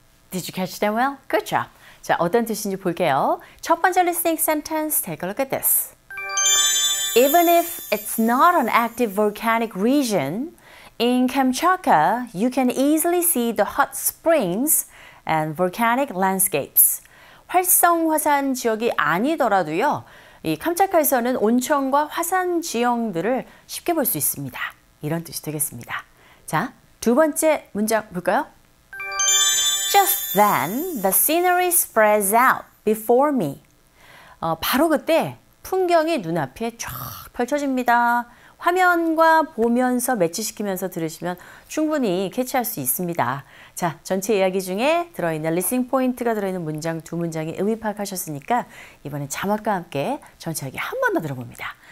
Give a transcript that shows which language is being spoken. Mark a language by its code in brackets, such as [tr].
[en] Did you catch that well? Good job. [ko] 자, 어떤 뜻인지 볼게요. 첫 번째 [en] listening sentence, take a look at this. Even if it's not an active volcanic region, in Kamchatka, you can easily see the hot springs and volcanic landscapes. [ko] 활성화산 지역이 아니더라도요, 이 캄차카에서는 온천과 화산 지형들을 쉽게 볼 수 있습니다. 이런 뜻이 되겠습니다. 자, 두 번째 문장 볼까요? [en] Just then, the scenery spreads out before me. [ko] 바로 그때, 풍경이 눈앞에 쫙 펼쳐집니다. 화면과 보면서 매치시키면서 들으시면 충분히 캐치할 수 있습니다. 자, 전체 이야기 중에 들어있는 리스닝 포인트가 들어있는 문장 두 문장이 의미 파악하셨으니까 이번에 자막과 함께 전체 이야기 한 번 더 들어봅니다.